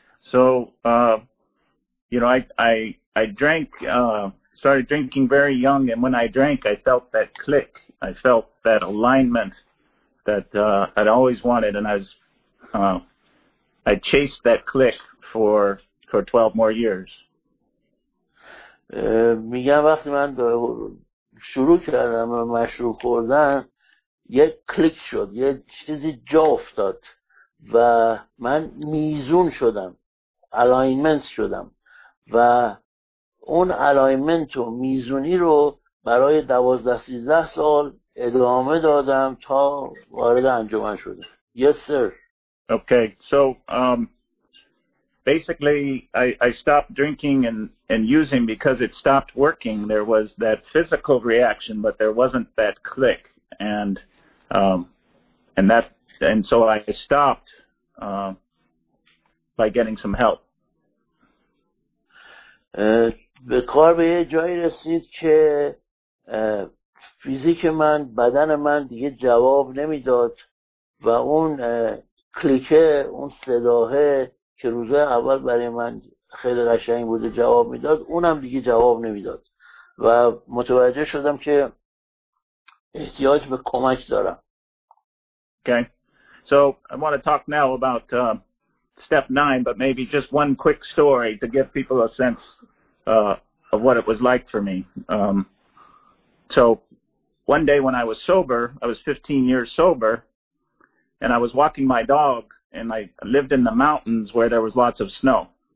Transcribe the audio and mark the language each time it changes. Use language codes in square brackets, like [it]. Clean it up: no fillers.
[en] So you know, I drank started drinking very young, and when I drank, I felt that click. I felt that alignment that I'd always wanted, and I chased that click for 12 more years. [fa] میگم وقتی من شروع کردم مشروب خوردن، یک کلیک شد، یه چیزی جا افتاد و من میزون شدم، الائنمنت شدم و اون الائنمنت و میزونی رو برای 12-13 سال ادامه دادم تا وارد انجمن شدم. [en] Yes, sir. Okay, so basically I stopped drinking and using because it stopped working. There was that physical reaction, but there wasn't that click. And so I stopped by getting some help. [fa] به کار به یه جایی رسید که فیزیک من، بدن من دیگه جواب نمیداد و اون کلیکه، اون صداه که روزه اول برای من خیلی قشنگ بوده جواب میداد، اونم دیگه جواب نمیداد و متوجه شدم که احتیاج به کمک دارم. [en] Okay. So I want to talk now about step 9, but maybe just one quick story to give people a sense of what it was like for me. So one day when I was sober, I was 15 years sober, and I was walking my dog, and I lived in the mountains where there was lots of snow.